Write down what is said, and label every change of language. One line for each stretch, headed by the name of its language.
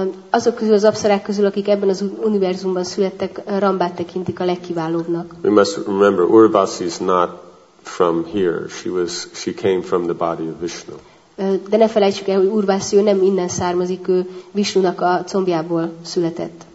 Hungarian: Azok közül, az apsarák közül, akik ebben az univerzumban születtek, Rambát tekintik a legkiválóbbnak.
English: We must remember, Urvasi is not from here. She came from the body of Vishnu.
Hungarian: De ne felejtsük el, hogy Urvasi nem innen származik, ő Vishnunak a combjából született.